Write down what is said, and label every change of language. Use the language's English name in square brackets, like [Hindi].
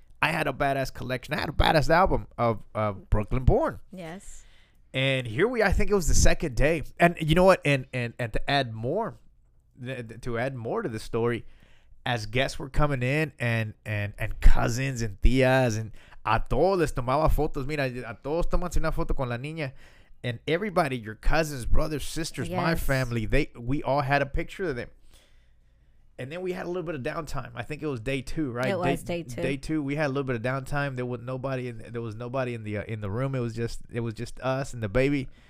[English] I had a badass collection. I had a badass album of Brooklyn Born. Yes. And here we are. I think it was the second day. And you know what? And to add more to the story, as guests were coming in and cousins and tías and [Spanish] a todos les tomaba fotos. Mira, a todos tomanse una foto con la niña. [English] And everybody, your cousins, brothers, sisters, yes. My family, we all had a picture of them. And then we had a little bit of downtime. I think it was day two, right? It was day two. Day two, we had a little bit of downtime. There was nobody in the room. It was just us and the baby.